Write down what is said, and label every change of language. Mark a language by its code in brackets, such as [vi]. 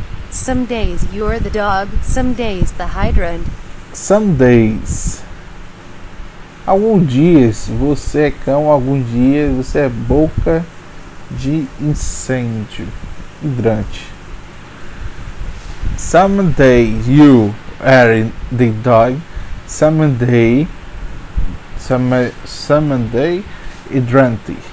[en] Some days you're the dog, some days the hydrant. Some days. [pt] Alguns dias você é cão, alguns dias você é boca de incêndio, hidrante. [en] Some days you are the dog, some day hydrant.